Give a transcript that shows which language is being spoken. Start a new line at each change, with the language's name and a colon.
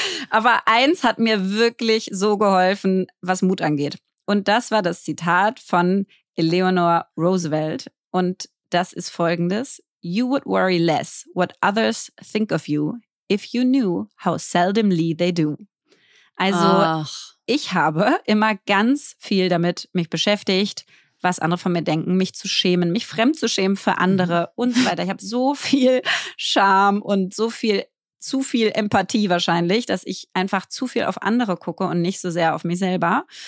German: aber eins hat mir wirklich so geholfen, was Mut angeht. Und das war das Zitat von Eleanor Roosevelt. Und das ist folgendes.
English: You would worry less what others think of you if you knew how seldomly they do.
German: Also, ich habe immer ganz viel damit mich beschäftigt, was andere von mir denken, mich zu schämen, mich fremd zu schämen für andere und so weiter. Ich habe so viel Scham und zu viel Empathie wahrscheinlich, dass ich einfach zu viel auf andere gucke und nicht so sehr auf mich selber.